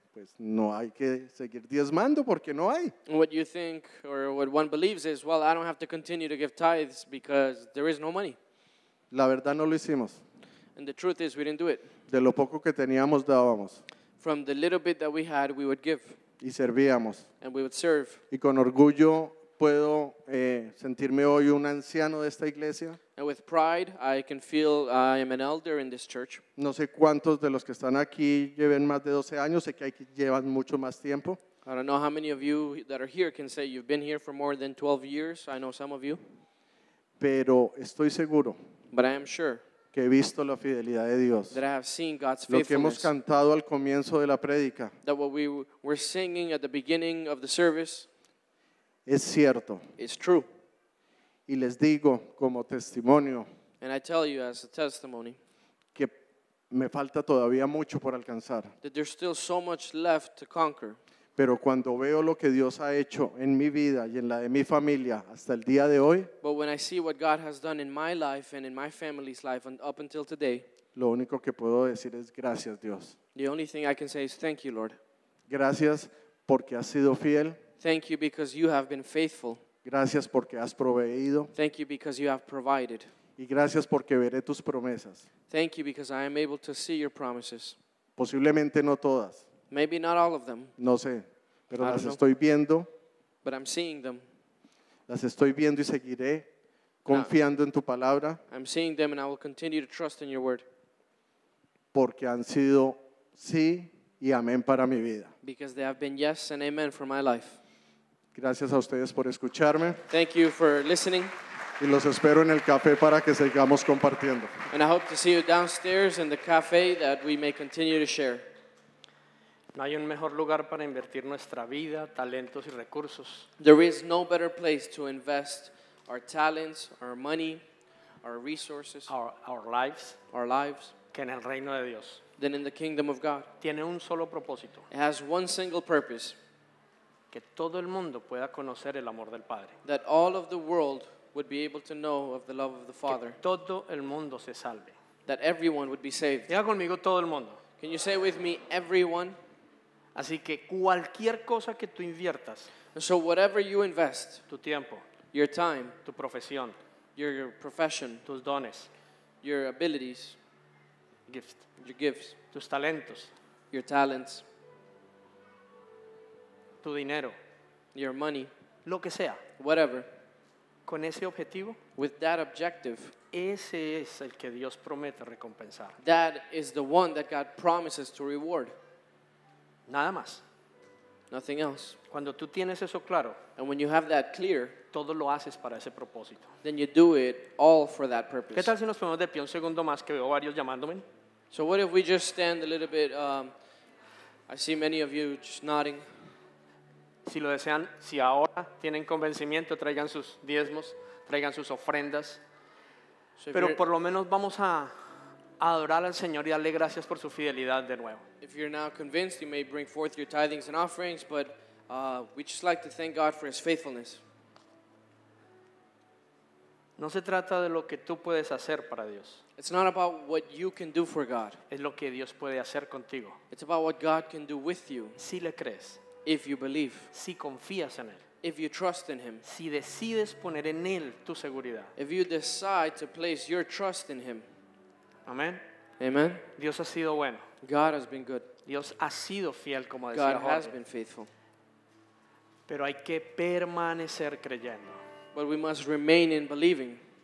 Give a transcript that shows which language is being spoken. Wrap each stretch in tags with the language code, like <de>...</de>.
<es>pues no hay que seguir diezmando porque no hay.</es> <en>What you think or what one believes is, well, I don't have to continue to give tithes because there is no money.</en> <es>La verdad no lo hicimos.</es> <en>And the truth is we didn't do it.</en> <es>De lo poco que teníamos dábamos.</es> <en>From the little bit that we had, we would give.</en> <es>Y servíamos.</es> <en>And we would serve.</en> <es>Y con orgullo puedo sentirme hoy un anciano de esta iglesia.</es> <en>And with pride, I can feel I am an elder in this church.</en> <es>No sé cuántos de los que están aquí lleven más de 12 años, sé que hay que llevan mucho más tiempo.</es> <en>I don't know how many of you that are here can say you've been here for more than 12 years. I know some of you.</en> <es>Pero estoy seguro.</es> <en>But I am sure.</en> <es>Que he visto la fidelidad de Dios.</es> <en>That I have seen God's faithfulness.</en> <es>Lo que hemos cantado al comienzo de la prédica.</es> <en>That what we were singing at the beginning of the service.</en> <es>Es cierto.</es> <en>It's true.</en> <es>Y les digo como testimonio.</es> <en>And I tell you as a testimony.</en> <es>Que me falta todavía mucho por alcanzar.</es> <en>That there's still so much left to conquer.</en> <es>Pero cuando veo lo que Dios ha hecho en mi vida y en la de mi familia hasta el día de hoy.</es> <en>But when I see what God has done in my life and in my family's life and up until today.</en> <es>Lo único que puedo decir es gracias Dios.</es> <en>The only thing I can say is thank you Lord.</en> <es>Gracias porque has sido fiel.</es> <en>Thank you because you have been faithful.</en> <es>Gracias porque has proveído.</es> <en>Thank you because you have provided.</en> <es>Y gracias porque veré tus promesas.</es> <en>Thank you because I am able to see your promises.</en> <es>Posiblemente no todas.</es> <en>Maybe not all of them.</en> <es>No sé, pero las estoy viendo.</es> <en>But I'm seeing them.</en> <es>Las estoy viendo y seguiré confiando en tu palabra.</es> <en>I'm seeing them and I will continue to trust in your word.</en> <es>Porque han sido sí y amén para mi vida.</es> <en>Because they have been yes and amen for my life.</en> <es>Gracias a ustedes por escucharme.</es> <en>Thank you for listening.</en> <es>Y los espero en el café para que sigamos compartiendo.</es> <en>And I hope to see you downstairs in the cafe that we may continue to share.</en> <es>No hay un mejor lugar para invertir nuestra vida, talentos y recursos.</es> <en>There is no better place to invest our talents, our money, our resources, our lives,</en> <es>que en el reino de Dios.</es> <en>Than in the kingdom of God.</en> <es>Tiene un solo propósito.</es> <en>It has one single purpose.</en> <es>Que todo el mundo pueda conocer el amor del Padre.</es> <en>That all of the world would be able to know of the love of the Father.</en> <es>Que todo el mundo se salve.</es> <en>That everyone would be saved.</en> <es>Diga conmigo todo el mundo.</es> <en>Can you say with me everyone?</en> <es>Así que cualquier cosa que tú inviertas,</es> <en>so whatever you invest,</en> <es>tu tiempo,</es> <en>your time,</en> <es>tu profesión,</es> <en>your profession,</en> <es>tus dones,</es> <en>your abilities, your gifts,</en> <es>tus talentos,</es> <en>your talents,</en> <es>tu dinero,</es> <en>your money,</en> <es>lo que sea,</es> <en>whatever,</en> <es>con ese objetivo,</es> <en>with that objective,</en> <es>ese es el que Dios promete recompensar.</es> <en>That is the one that God promises to reward.</en> <es>Nada más.</es> <en>Nothing else.</en> <es>Cuando tú tienes eso claro,</es> <en>and when you have that clear,</en> <es>todo lo haces para ese propósito.</es> <en>Then you do it all for that purpose.</en> <es>¿Qué tal si nos ponemos de pie un segundo más que veo varios llamándome?</es> <en>So what if we just stand a little bit? I see many of you just nodding.</en> <es>Si lo desean, si ahora tienen convencimiento, traigan sus diezmos, traigan sus ofrendas. So pero por lo menos vamos a adorar al Señor y darle gracias por su fidelidad de nuevo.</es> <en>If you're now convinced, you may bring forth your tithings and offerings, but we just like to thank God for his faithfulness.</en> <es>No se trata de lo que tú puedes hacer para Dios.</es> <en>It's not about what you can do for God.</en> <es>Es lo que Dios puede hacer contigo.</es> <en>It's about what God can do with you.</en> <es>Si le crees.</es> <en>If you believe.</en> <es>Si confías en él.</es> <en>If you trust in him.</en> <es>Si decides poner en él tu seguridad.</es> <en>If you decide to place your trust in him.</en> <es>Amen.</es> <en>Amen.</en> <es>Dios ha sido bueno.</es> <en>God has been good.</en> <es>Dios ha sido fiel, como decía</es> <en>God has been faithful.</en> <es>Pero hay que permanecer creyendo.</es> <en>But we must remain in believing.</en>